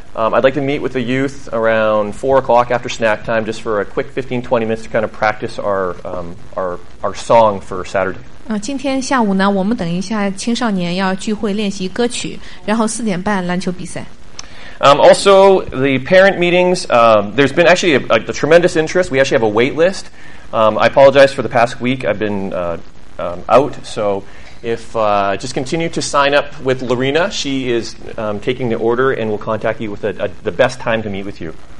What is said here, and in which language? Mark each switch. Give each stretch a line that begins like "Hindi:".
English: I'd like to meet with the youth around 4 o'clock after snack time just for a quick 15-20 minutes to kind of practice our song for Saturday.
Chinese: 今天下午呢，我们等一下青少年要聚会练习歌曲，然后4点半篮球比赛。
English: Also, the parent meetings, there's been actually a tremendous interest. We actually have a wait list. I apologize for the past week. I've been out. So if just continue to sign up with Lorena. She is taking the order and will contact you with the best time to meet with you.